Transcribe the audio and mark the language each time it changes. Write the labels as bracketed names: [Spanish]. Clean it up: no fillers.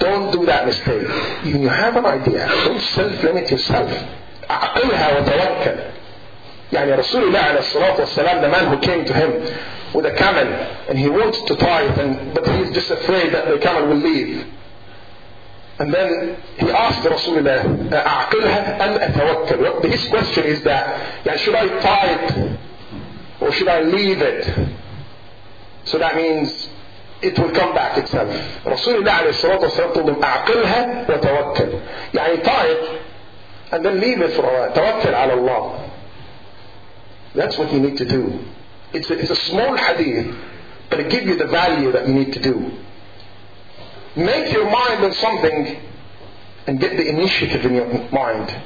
[English] Don't do that mistake. Even you have an idea, don't self-limit yourself. [Arabic] أَعْقِلْهَا وَتَوَكَّلْ. [English] يعني [Arabic] رسول الله عليه الصلاة والسلام, [English] the man who came to him with a camel and he wants to tie it, but he's just afraid that the camel will leave. And then he asked [Arabic] رسول الله أعقلها أم أتوكل. [English] His question is that, يعني should I tie it or should I leave it? So that means it will come back itself. رسول الله عليه الصلاة والسلام told him [Arabic] أعقلها وتوكل. [English] يعني tie it and then leave it for a while. [Arabic] توكل على الله. [English] That's what you need to do. It's a small hadith, but it gives you the value that you need to do. Make your mind on something and get the initiative in your mind.